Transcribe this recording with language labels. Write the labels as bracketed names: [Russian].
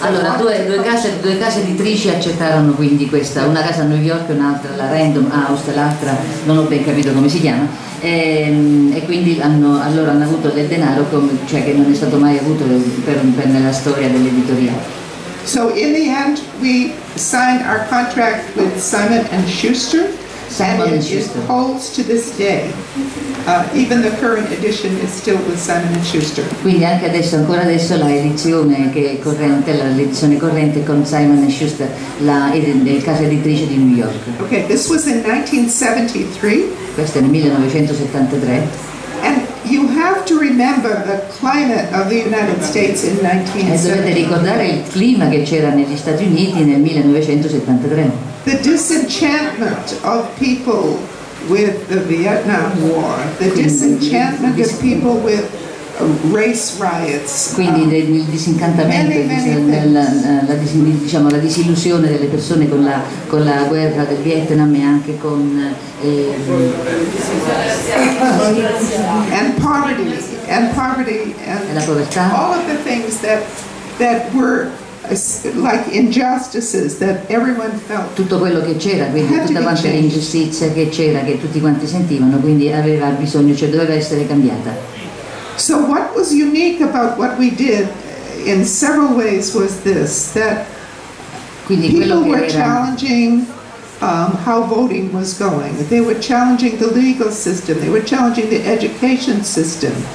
[Italian] Allora, due case editrici accettarono quindi questa, una casa a New York e un'altra, la Random House, l'altra, non ho ben capito come si chiama. E quindi hanno avuto del denaro cioè che non è stato mai avuto per nella storia dell'editoria. [English] So in the end we signed our contract with Simon and Schuster. Simon and Schuster. It holds to this day. Even the current edition is still with Simon and Schuster. [Italian] Quindi anche adesso, ancora adesso, la edizione che è corrente, la edizione corrente con Simon and Schuster, la casa editrice di New York. [English] Okay, this was in 1973. [Italian] Questo è nel 1973. [English] And you have to remember the climate of the United States in 1973. [Italian] E dovete ricordare il clima che c'era negli Stati Uniti nel 1973. [English] The disenchantment of people with the Vietnam War, the disenchantment of people with race riots. [Italian] Quindi il disincantamento, la disillusione delle persone con la guerra del Vietnam e anche con [English] and poverty, [Italian] la povertà. [English] All of the things that were like injustices that everyone felt. [Italian] Tutto quello che c'era, quindi tutta quanta l'ingiustizia che c'era, che tutti quanti sentivano, quindi aveva bisogno, cioè doveva essere cambiata. [English] So what was unique about what we did in several ways was this, that [Italian] quindi [English] people [Italian] che [English] were [Italian] era... [English] challenging how voting was going. They were challenging the legal system, they were challenging the education system.